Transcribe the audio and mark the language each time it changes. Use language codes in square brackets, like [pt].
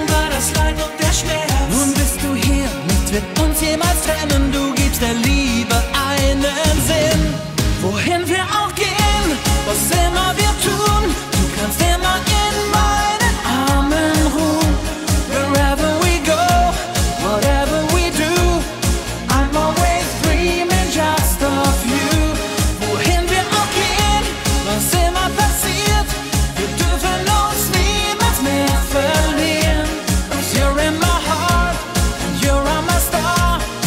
[de] War das Leid und der Schmerz. Nun bist du hier, nichts wird uns jemals trennen. Du gibst der Liebe einen Sinn. Wohin wir auch gehen. Was immer wir tun, du kannst immer in meinen Armen ruhen. [en] Wherever we go, whatever we do, I'm always dreaming just of you. [de] Wohin wir auch gehen, was immer passiert, wir dürfen uns niemals mehr verlieren. [en] Cause you're in my heart, and you're on my star.